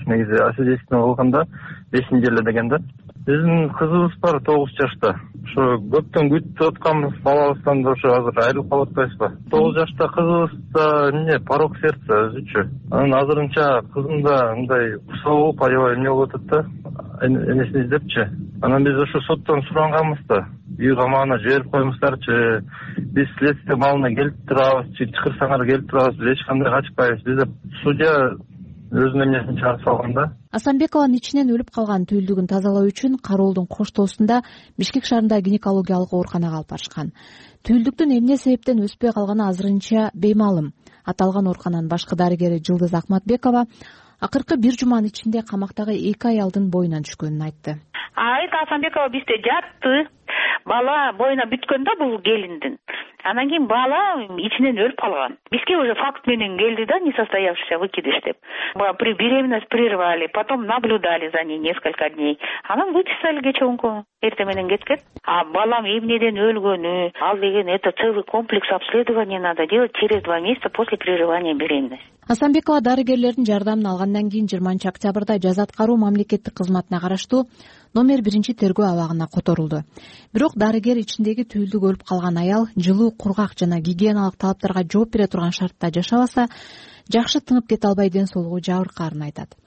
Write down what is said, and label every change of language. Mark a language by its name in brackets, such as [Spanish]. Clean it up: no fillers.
[Kyrgyz] Негизи осветительный болгонда 5 неделе деген да. Биздин кызыбыз бар 9 жашта. Ошо көптөн күтүп атканбыз балабыздан да ошо азыр айрылып калып атпайбызбы? 9 жашта кызыбызда эмне порок сердца өзүчү. Анан азырынча кызымда мындай кусоо болуп аябай эмне болуп атат да энесин издепчи. Анан биз ошо соттон суранганбыз да. Үй камагына жиберип коюңуздарчы, биз следствие маалына келип турабыз, чакырсаңар келип турабыз, биз эч кандай качпайбыз. Бизде судья өзүнүн эмнесин чыгарып салган да. Асанбекованын ичинен өлүп калган түйүлдүгүн тазалоо үчүн кароолдун коштоосунда Бишкек шаарында гинекологиялык ооруканага алып барышкан. Түйүлдүктүн эмне себептен өспөй калганы азырынча беймаалым. Аталган оорукананын башкы дарыгери Жылдыз Акматбекова акыркы бир жуманын ичинде камактагы эки аялдын боюнан түшкөнүн айтты. Айта Асанбекова бизде жатты. Бала боюна бүткөн да бул келиндин. Анан кийин бала ичинен өлүп калган. Бизге уже факт менен келди да, [Russian] несостоявшийся выкидыш деп. При беременность прервали, потом наблюдали за ней несколько дней. Анан вычислили [Kyrgyz] кече күнкү, эрте менен кеткен. [Russian] А [Kyrgyz] балам эмнеден өлгөнү, ал деген [Russian] это целый комплекс обследования надо делать через 2 месяца после прерывания беременности. [Kyrgyz] Асанбекова дарыгерлердин жардамын алгандан кийин 20 октябрда жаза аткаруу мамлекеттик кызматына караштуу номер 1 тергөө абагына которулду. Бирок дарыгер ичиндеги түйүлдүк өлүп калган аял жылуу, кургак жана гигиеналык талаптарга жооп бере турган шартта жашабаса, жакшы тынып кете албай ден соолугу жабыркаарын айтат.